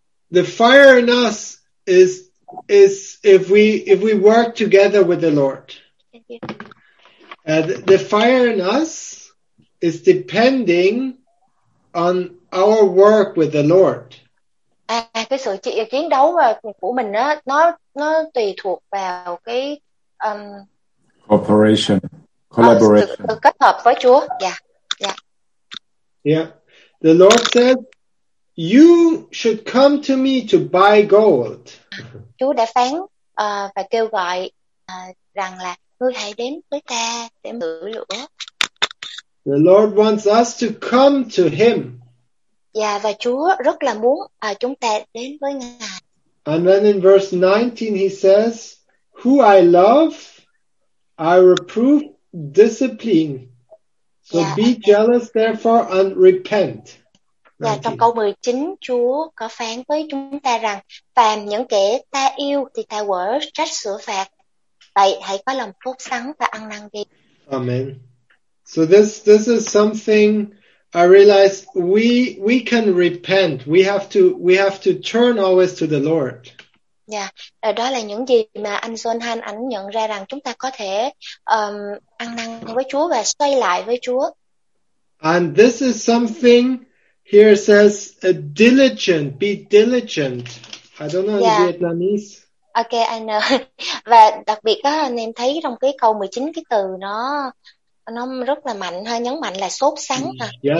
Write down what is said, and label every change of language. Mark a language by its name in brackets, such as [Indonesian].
[English] The fire in us is if we work together with the Lord. Thank you. The fire in us is depending on our work with the Lord. [Vietnamese] Cái sự chiến đấu của mình á, nó tùy thuộc vào cái [English] cooperation, collaboration. [Vietnamese] Sự kết hợp với Chúa. Yeah. [English] The Lord said, "You should come to me to buy gold." [Vietnamese] Chúa đã phán và kêu gọi rằng là ngươi hãy đến với ta để mượn lửa. [English] The Lord wants us to come to Him. [Vietnamese] Và Chúa rất là muốn chúng ta đến với Ngài. [English] And then in verse 19 he says, "Who I love, I reprove, discipline. So be jealous therefore and repent." [Vietnamese] Và trong câu 19 Chúa có phán với chúng ta rằng, phàm những kẻ ta yêu thì ta quở trách sửa phạt. Vậy hãy có lòng phúc sáng và ăn năn đi. Amen. [English] So this is something I realize we can repent. We have to turn always to the Lord. [Vietnamese] Yeah, đó là những gì mà anh John Han ảnh nhận ra rằng chúng ta có thể ăn năn với Chúa và xoay lại với Chúa. [English] And this is something here says diligent, be diligent. I don't know in Vietnamese. [Vietnamese] Ok anh ơi. Và đặc biệt đó, anh em thấy trong cái câu 19 cái từ nó rất là mạnh ha, nhấn mạnh là sốt sắng ha.